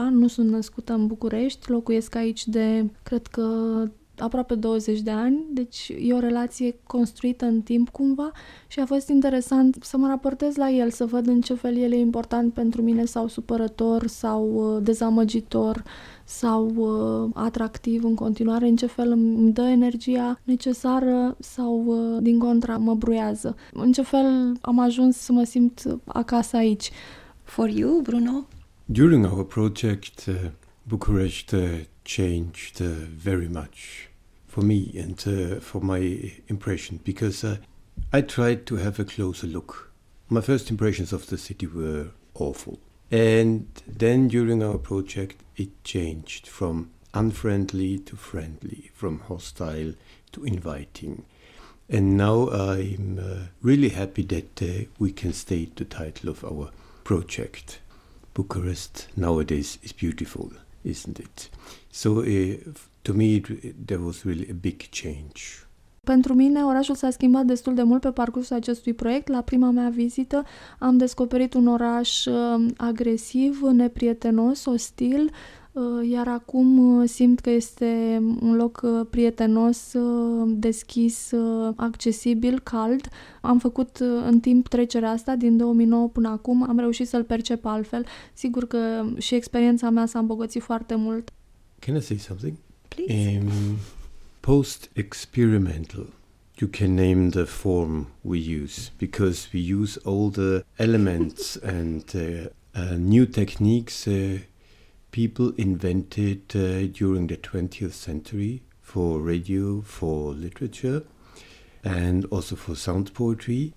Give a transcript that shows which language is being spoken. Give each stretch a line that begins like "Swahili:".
Romanian: Nu sunt născută în București, locuiesc aici de, cred că, aproape 20 de ani, deci e o relație construită în timp cumva și a fost interesant să mă raportez la el, să văd în ce fel el e important pentru mine sau supărător sau dezamăgitor sau atractiv în continuare, în ce fel îmi dă energia necesară sau din contra mă bruiază. În ce fel am ajuns să mă simt acasă aici.
English: For you, Bruno? During our project, Bucharest changed very much for me and for my impression, because I tried to have a closer look. My first impressions of the city were awful. And then during our project, it changed from unfriendly to friendly, from hostile to inviting. And now I'm really happy that we can state the title of our project. Bucharest nowadays is beautiful, isn't it? So to me, there was really a big change.
Romanian: Pentru mine, orașul s-a schimbat destul de mult pe parcursul acestui proiect. La prima mea vizită am descoperit un oraș agresiv, neprietenos, ostil, iar acum simt că este un loc prietenos, deschis, accesibil, cald. Am făcut în timp trecerea asta, din 2009 până acum, am reușit să-l percep altfel. Sigur că și experiența mea s-a îmbogățit foarte mult.
English: Can I say something? Please. Post-experimental, you can name the form we use, because we use all the elements and new techniques people invented during the 20th century for radio, for literature, and also for sound poetry.